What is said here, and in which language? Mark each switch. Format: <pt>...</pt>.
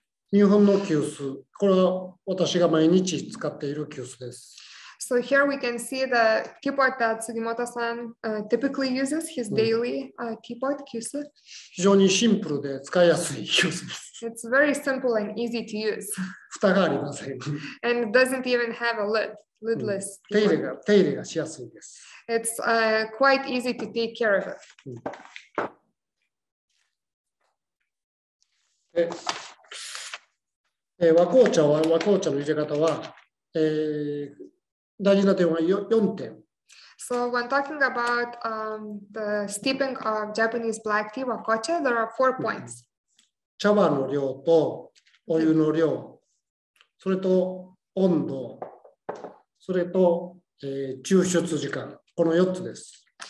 <ja>日本の急須、これは私が毎日使っている急須です。</ja> <en>So here we can see the teapot that Sugimoto-san typically uses, his daily teapot, 急須。</en> <ja>非常にシンプルで使いやすい急須です。</ja> <en>It's very simple and easy to use.</en> <ja>蓋がありません。</ja> <en>And it doesn't even have a lid, lidless.</en> <ja>手入れがしやすいです。</ja> <en>It's quite easy to take care of it.</en> <ja>で和紅茶は和紅茶の入れ方は、大事な点は4点。</ja> <en>So when talking about the steeping of Japanese black tea 和紅茶, there are 4 points.</en> <ja>茶葉の量とお湯の量、それと温度、それと、抽出時間、この4つです。</ja>